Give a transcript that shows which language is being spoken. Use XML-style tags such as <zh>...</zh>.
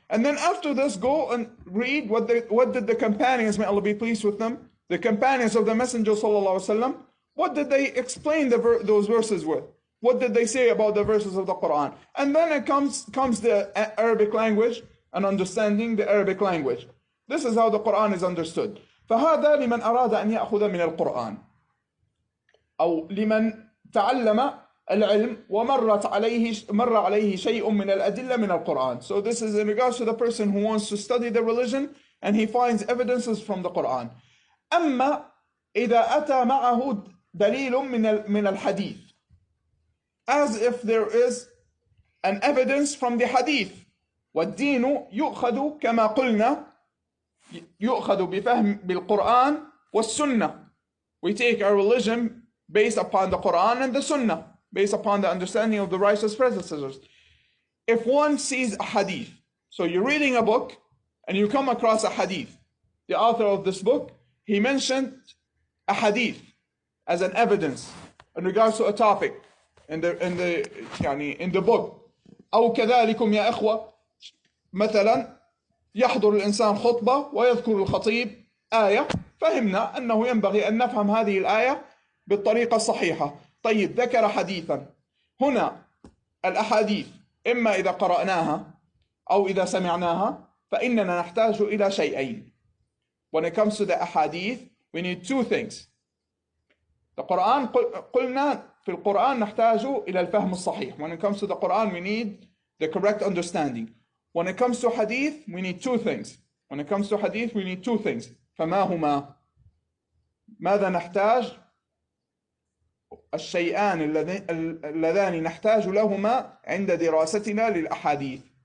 <en>And then after this, go and read what did the companions, may Allah be pleased with them, the companions of the Messenger</en> <ar>صلى الله عليه وسلم,</ar> <en>what did they explain those verses with? What did they say about the verses of the Quran? And then it comes the Arabic language and understanding the Arabic language. This is how the Quran is understood.</en> <ar>فهذا لمن أراد أن يأخذ من القرآن أو لمن تعلم العلم ومرت عليه مر عليه شيء من الأدلة من القرآن.</ar> <en>So this is in regards to the person who wants to study the religion and he finds evidences from the Quran.</en> <ar>أما إذا أتى معه دليل من الحديث.</ar> <en>As if there is an evidence from the hadith.</en> <ar>والدين يؤخذ كما قلنا يؤخذ بفهم بالقرآن والسنة.</ar> <en>We take our religion based upon the Quran and the Sunnah, based upon the understanding of the righteous predecessors. If one sees a hadith, so you're reading a book and you come across a hadith. The author of this book, he mentioned a hadith as an evidence in regards to a topic. In the book.</en> <ar>أو كذلكم يا إخوة مثلا يحضر الإنسان خطبة ويذكر الخطيب آية فهمنا أنه ينبغي أن نفهم هذه الآية بالطريقة الصحيحة. طيب ذكر حديثا هنا الأحاديث إما إذا قرأناها أو إذا سمعناها فإننا نحتاج إلى شيئين.</ar> <en>When it comes to the ahadith, we need two things. The Quran,</en> <ar>قلنا في القرآن نحتاج إلى الفهم الصحيح.</ar> <en>When it comes to the Quran, we need the correct understanding. When it comes to hadith, we need two things. When it comes to hadith, we need two things.</en> <ar>فما هما؟ ماذا نحتاج؟ الشيئان اللذان نحتاج لهما عند دراستنا للأحاديث.</ar>